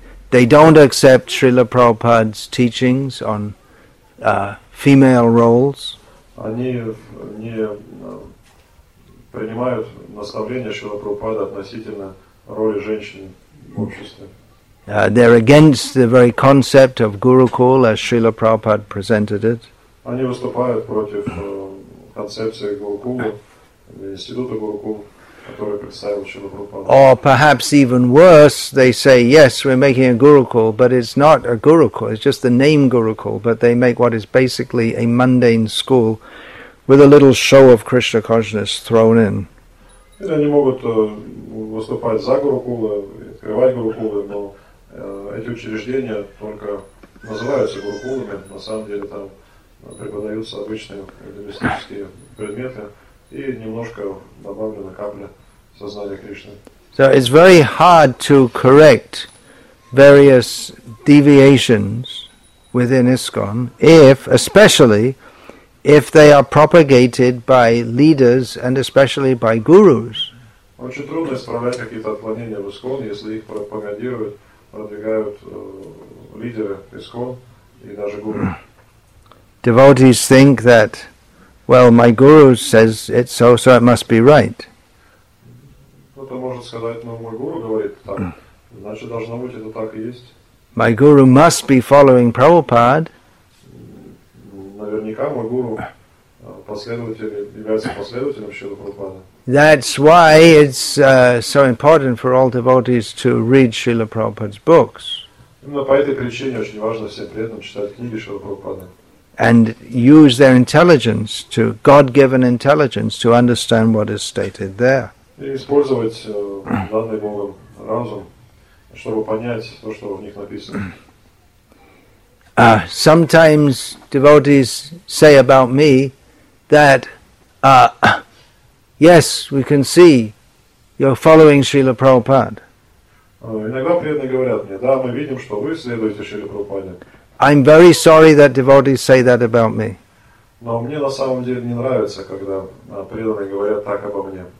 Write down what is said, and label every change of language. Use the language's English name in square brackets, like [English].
[English] They don't accept Srila Prabhupada's teachings on female roles. [Russian] Они не принимают наставления Шрилы Прабхупады относительно роли женщины в обществе. [English] They're against the very concept of Gurukul as Srila Prabhupada presented it. [Russian] Они выступают против концепции Гурукула, института Гурукула, который представил Шрила Прабхупада. [English] Or perhaps even worse, they say, yes, we're making a Gurukul, but it's not a Gurukul, it's just the name Gurukul, but they make what is basically a mundane school with a little show of Krishna consciousness thrown in. [Russian] Или они могут выступать за Гурукулы, открывать Гурукулы, но эти учреждения только называются Гурукулами, на самом деле там преподаются обычные эгоистические предметы и немножко добавлена капля сознания Кришны. [English] So it's very hard to correct various deviations within ISKCON if, especially, if they are propagated by leaders and especially by gurus. [Russian] Очень трудно исправлять какие-то отклонения в ISKCON, если их пропагандируют, продвигают лидеры ISKCON и даже гуру. [English] Devotees think that, well, my guru says it, so, so it must be right. [Russian] Кто-то может сказать, ну, мой гуру говорит так, значит, должно быть, это так и есть. [English] My guru must be following Prabhupada. [Russian] Наверняка мой гуру является последователем Шрилы Прабхупады. [English] That's why it's so important for all devotees to read Srila Prabhupada's books. [Russian] Именно по этой причине очень важно всем преданным читать книги Шрилы Прабхупады. [English] And use their intelligence, to God-given intelligence, to understand what is stated there. [Russian] И использовать данный Богом разум, чтобы понять то, что в них написано. [English] Sometimes devotees say about me that, yes, we can see you're following Srila Prabhupada. [Russian] Иногда преданные говорят мне, да, мы видим, что вы следуете Шриле Прабхупаде. [English] I'm very sorry that devotees say that about me. [Russian] Но мне на самом деле не нравится, когда преданные говорят так обо мне.